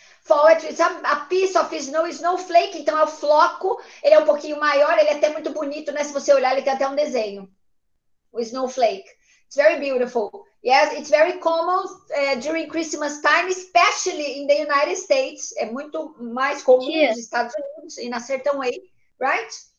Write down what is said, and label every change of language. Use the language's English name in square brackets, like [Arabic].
[English] Fall at Christmas, a piece of snow, [Portuguese] snowflake, então é o floco, ele é um pouquinho maior, ele é até muito bonito, né? Se você olhar, ele tem até um desenho. [English] O snowflake. It's very beautiful. Yes, it's very common during Christmas time, especially in the United States. [Portuguese] É muito mais comum nos Estados Unidos, [English] in a certain way, [Portuguese] right?